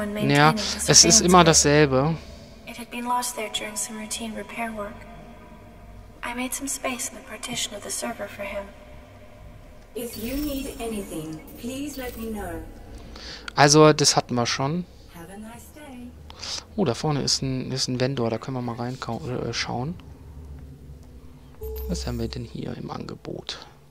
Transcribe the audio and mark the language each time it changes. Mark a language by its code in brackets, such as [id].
[de] Ja, es ist immer dasselbe. [en] It had been lost there during some routine repair work. I made some space in the partition of the server for him. If you need anything, please let me know. [de] Also, das hatten wir schon. [en] Have a nice day. [de] Oh, da vorne ist ein Vendor, da können wir mal reinschauen. Was haben wir denn hier im Angebot?